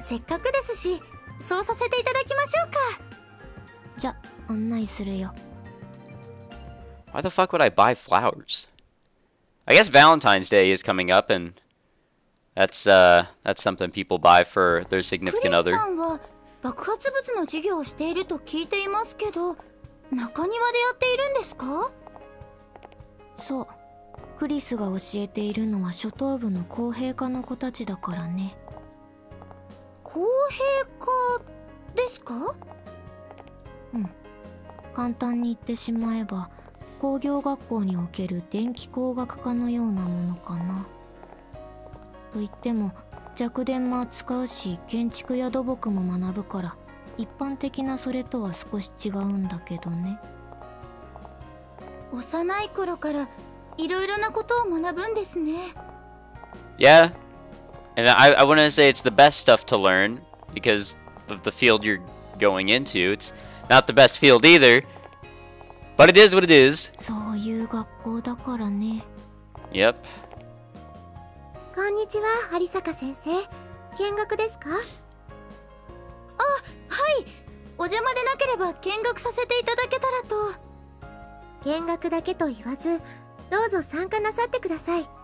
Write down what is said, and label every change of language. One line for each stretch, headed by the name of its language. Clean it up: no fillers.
English: Why the fuck would I buy flowers? I guess Valentine's Day is coming up and That's something people buy for their significant other.
Japanese: クリスさんは爆発物の授業をしていると聞いていますけど、中庭でやっているんですか? そう。クリスが教えているのは初等部の公平科の子たちだからね。公平科ですか？うん、簡単に言ってしまえば工業学校における電気工学科のようなものかな。といっても弱電も扱うし建築や土木も学ぶから一般的なそれとは少し違うんだけどね。幼い頃からいろいろなことを学ぶんですね。
English: Yeah, and I wouldn't say it's the best stuff to learn because of the field you're going into. It's not the best field either, but it is what it is.
Japanese: そういう学校だからね。
English: Yep.
Japanese: こんにちは、有坂先生。見学ですか？あ、はい。お邪魔でなければ見学させていただけたらと。見学だけと言わず、どうぞ参加なさってください。